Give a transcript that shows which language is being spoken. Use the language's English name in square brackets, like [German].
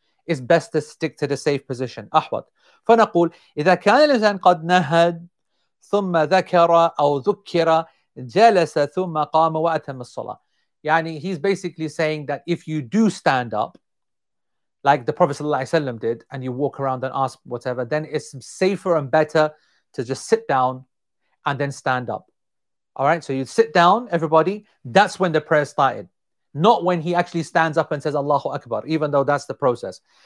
[English] It's best to stick to the safe position. Ahwat. [Arabic] فنقول إذا كان الإنسان قد نهد ثم ذكر أو ذكر جلس ثم قام وأتم الصلاة. [English] يعني he's basically saying that if you do stand up, like the Prophet sallallahu alaihi wasallam did, and you walk around and ask whatever, then it's safer and better to just sit down and then stand up. All right, so you sit down, everybody. That's when the prayer started, not when he actually stands up and says Allahu Akbar, even though that's the process.